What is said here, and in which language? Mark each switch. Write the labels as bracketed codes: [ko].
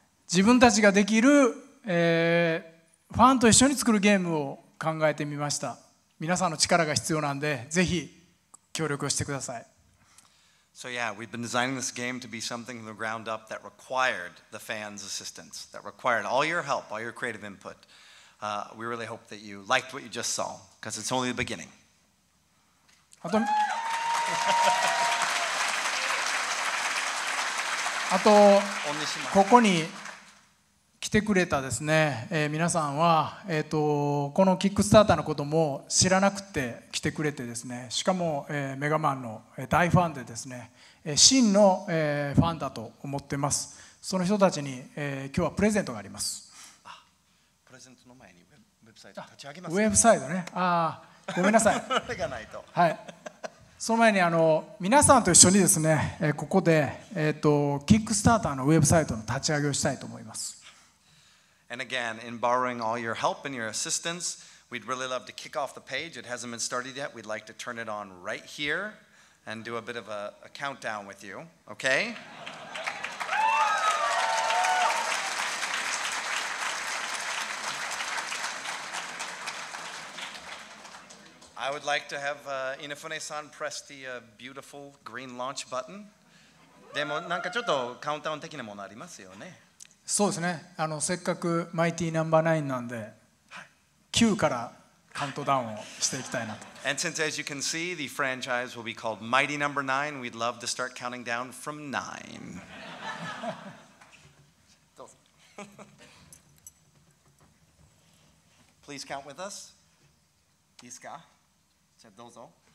[ja] 自分たちができる、ファンと一緒に作るゲームを考えてみました。皆さんの力が必要なんで、ぜひ協力をしてください。 [en] So yeah, we've been designing this game to be something from the ground up that required the fans' assistance, that required all your help, all your creative input. We really hope that you liked what you just saw, because it's only the beginning. [ja] あとあとここに来てくれたですね、皆さんは、このキックスターターのことも知らなくて来てくれてですね、しかも、メガマンの大ファンでですね、真の、ファンだと思ってます。その人たちに、今日はプレゼントがあります。あ、プレゼントの前にウェブサイト立ち上げます。ウェブサイトね、あ、ごめんなさい、これがないと、はい、その前に皆さんと一緒にですね、ここで、キックスターターのウェブサイトの立ち上げをしたいと思います。 [en] And again, in borrowing all your help and your assistance, we'd really love to kick off the page. It hasn't been started yet. We'd like to turn it on right here and do a bit of a countdown with you, okay? I would like to have Inafune-san press the beautiful green launch button. [ja] でもなんかちょっとカウントダウン的なものありますよね。そうですね。せっかくマイティーナンバーナインなんで、9からカウントダウンをしていきたいなと。 [en] And since as you can see, the franchise will be called Mighty Number Nine, we'd love to start counting down from nine. [ja] どうぞ。 [en] Please count with us. [ja] いいですか？どうぞ。